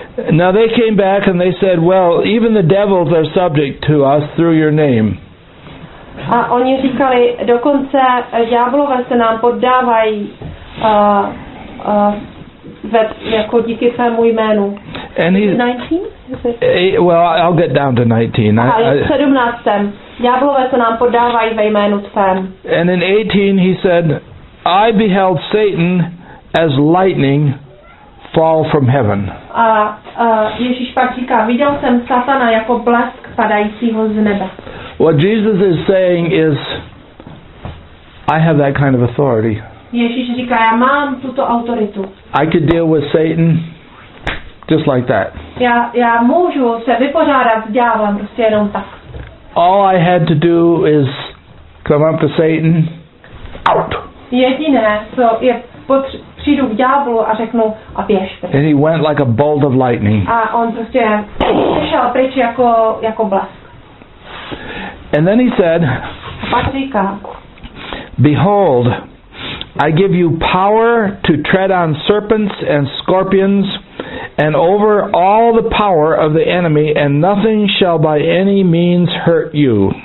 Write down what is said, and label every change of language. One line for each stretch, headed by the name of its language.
English: Now they came back and they said, well, even the devils are subject to us through your name.
Czech: A oni říkali, dokonce ďáblové se nám poddávají jako díky tvému jménu.
English: And he, 19? Well, I'll get down to 19.
Czech: A je 17. Ďáblové se nám poddávají ve jménu tvém.
English: And in 18 he said, I beheld Satan as lightning fall from heaven.
Czech: A Ježíš pak říká, viděl jsem Satana jako blesk padajícího z nebe.
English: What Jesus is saying is, I have that kind of authority.
Czech: Ježíš říká, já mám tuto autoritu.
English: I could deal with Satan just like that.
Czech: Já můžu se vypořádat s ďáblem prostě jenom tak.
English: All I had to do is come up to Satan, out.
Czech: Jediné, co je, přijdu k ďáblu a řeknu, a běž.
English: And he went like a bolt of lightning.
Czech: A on prostě přišel pryč jako blesk.
English: And then he said, Patrika, Behold, I give you power to tread on serpents and scorpions and over all the power of the enemy, and nothing shall by any means hurt you.